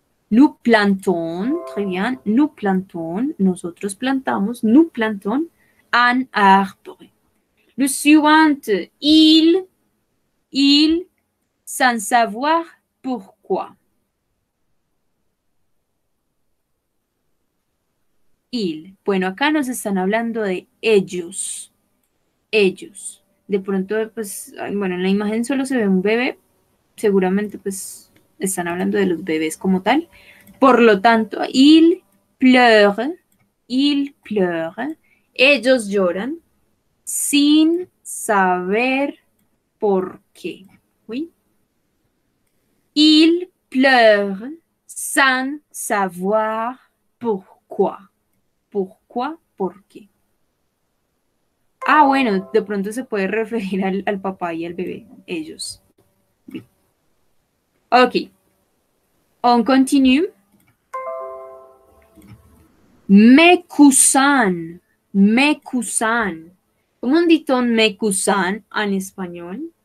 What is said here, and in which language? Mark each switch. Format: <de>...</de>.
<fr>Nous plantons, très bien, nous plantons,</fr> <es>nosotros plantamos,</es> <fr>nous plantons un arbre. Le suivant, il, sans savoir pourquoi. Il.</fr> <es>Bueno, acá nos están hablando de ellos. Ellos. De pronto, pues, bueno, en la imagen solo se ve un bebé. Seguramente, pues, están hablando de los bebés como tal. Por lo tanto,</es> <fr>il pleure. Il pleure.</fr> <es>Ellos lloran sin saber por qué.</es> <fr>¿Oui? Il pleure sans savoir pourquoi. ¿Pourquoi?</fr> <es>¿Por qué? Ah, bueno, de pronto se puede referir al papá y al bebé, ellos.</es> <fr>On continue. Mes cousins, ¿cómo dit-on mes cousins</fr> <es>en español?</es>